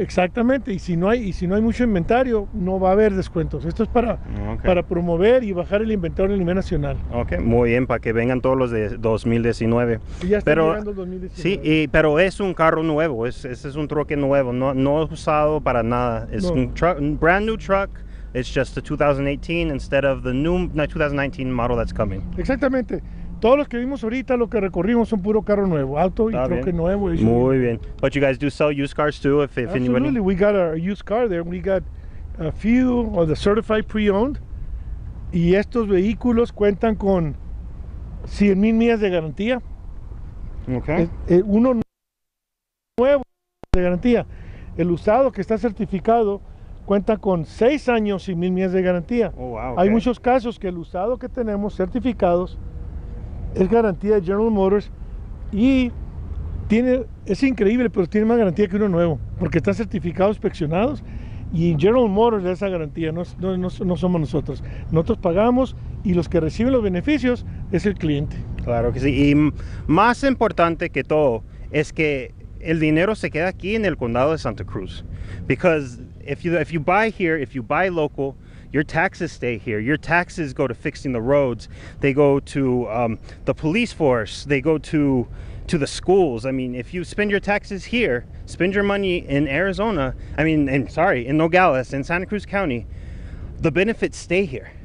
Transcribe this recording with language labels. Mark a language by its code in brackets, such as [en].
[es] Exactamente, y si no hay mucho inventario, no va a haber descuentos. Esto es para promover y bajar el inventario en el nivel nacional. Ok, muy bien, para que vengan todos los de 2019. Y ya están llegando 2019. Sí, pero es un carro nuevo, es un troque nuevo, no usado para nada. Es un [en] brand new truck. It's just the 2018 instead of the new 2019 model that's coming. [es] Exactamente. Todos los que vimos ahorita, lo que recorrimos son puro carro nuevo, auto y troque nuevo. Muy bien. [en] But you guys do sell used cars too, if anybody. Absolutely, we got a used car there. We got a few of the certified pre-owned. [es] Y estos vehículos cuentan con 100,000 millas de garantía. Okay. Uno nuevo de garantía. El usado que está certificado cuenta con 6 años y 1,000 millas de garantía. [en] Oh, wow, okay. [es] Hay muchos casos que el usado que tenemos certificados es garantía de General Motors y es increíble, pero tiene más garantía que uno nuevo porque está certificado, inspeccionados, y General Motors da esa garantía, no somos nosotros. Nosotros pagamos y los que reciben los beneficios es el cliente. Claro que sí, y más importante que todo es que el dinero se queda aquí en el condado de Santa Cruz. [en] Because if you buy here, if you buy local, your taxes stay here. Your taxes go to fixing the roads. They go to the police force. They go to the schools. I mean, if you spend your taxes here, spend your money in Arizona, in Nogales, in Santa Cruz County, the benefits stay here.